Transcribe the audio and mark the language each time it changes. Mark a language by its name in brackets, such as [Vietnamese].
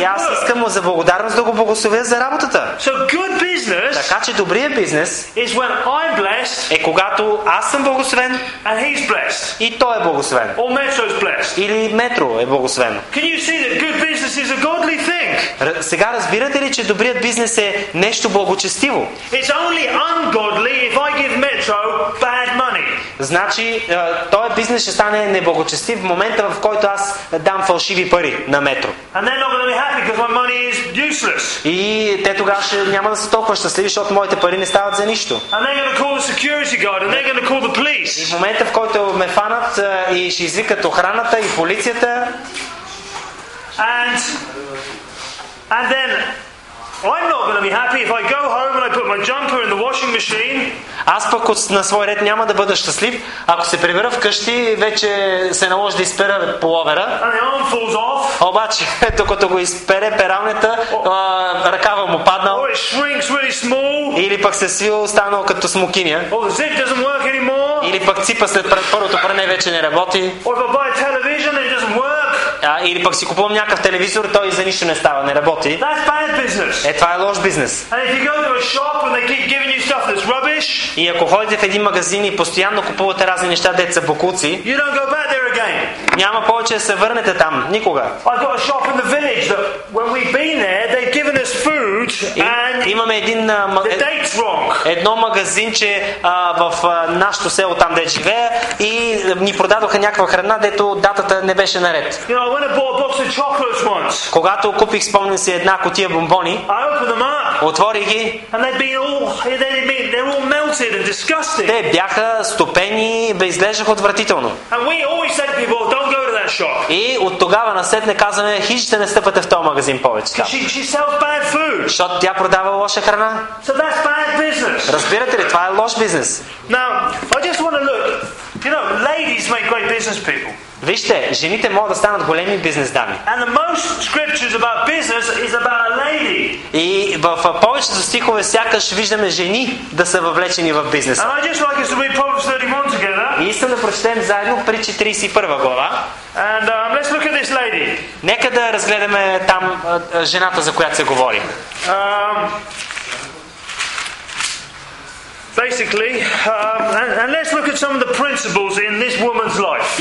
[Bulgarian] И аз искам му за благодарност да го благословя за работата. [English] So good business. [Bulgarian] Така че добрият бизнес [English] is when I'm blessed. [Bulgarian] Е когато аз съм благословен. [English] And he's blessed. [Bulgarian] И той е благословен. [English] Or Metro's blessed. [Bulgarian] Или Метро е благословен. [English] Can you see that good business is a godly thing? [Bulgarian] Сега разбирате ли, че добрият бизнес е нещо благочестиво? [English] It's only ungodly if I give Metro bad money. [Bulgarian] Значи, този бизнес ще стане неблагочестив в момента, в който аз дам фалшиви пари на Метро. [English] And they're not gonna be happy because my money is useless. [Bulgarian] И те тогава ще няма да са толкова щастливи, защото моите пари не стават за нищо. [English] And they're gonna call the security guard and they're gonna call the police. [Bulgarian] И в момента, в който ме фанат и ще извикат охраната и полицията. [English] And then I'm not going to be happy if I go home and I put my jumper in the washing machine. [Bulgarian] Аз пък на свой ред няма да бъда щастлив, ако се прибера вкъщи и вече се наложи да изпера половера. [English] And the arm falls off. [Bulgarian] Обаче, докато го изпере пералнята, ръкава му паднал. [English] Or it shrinks really small. [Bulgarian] Или пък се свил, станал като смокиня. [English] Or the zip doesn't work anymore. [Bulgarian] Или пък ципа след първото пране вече не работи. [English] Or if I buy a television and it doesn't work. [Bulgarian] Или пък си купувам някакъв телевизор, той за нищо не става, не работи. [English] That's bad business. [Bulgarian] Е, това е лош бизнес. [English] And if you go to a shop and they keep giving you stuff that's rubbish, [Bulgarian] и ако ходите в един магазин и постоянно купувате разни неща, деца бокуци, [English] you don't go back there again. [Bulgarian] Няма повече да се върнете там, никога. [English] I've got a shop in the village that when we've been there, they've given us food and [Bulgarian] имаме един, [English] the date's wrong. [Bulgarian] Едно магазинче в нашото село там, де живея, и ни продадоха някаква храна, дето датата не беше наред. [English] You know, I went and bought a box of chocolates once. [Bulgarian] Когато купих, спомням си, една кутия бомбони, [English] I opened them up. [Bulgarian] Отворих ги. [English] And they'd been all, they're all melted and disgusting. [Bulgarian] Те бяха стопени, бе изглеждаха отвратително. [English] And we always said to people, don't go to that shop. [Bulgarian] И от тогава насетне казваме, хижите не стъпате в този магазин повече. [English] She sells bad food. [Bulgarian] Защото тя продава лоша храна. [English] So that's bad business. [Bulgarian] Разбирате ли, това е лош бизнес. [English] Now, I just want to look. You know, ladies make great business people. [Bulgarian] Вижте, жените могат да станат големи бизнес дами. [English] And the most scriptures about business is about a lady. [Bulgarian] И в повечето стихове сякаш виждаме жени да са въвлечени в бизнеса. [English] And I just like us to read Proverbs 31 together. [Bulgarian] И искам да прочетем заедно Притчи 31 глава. [English] And let's look at this lady. [Bulgarian] Нека да разгледаме там жената, за която се говори. [English] Basically, and let's look at some of the principles in this woman's life.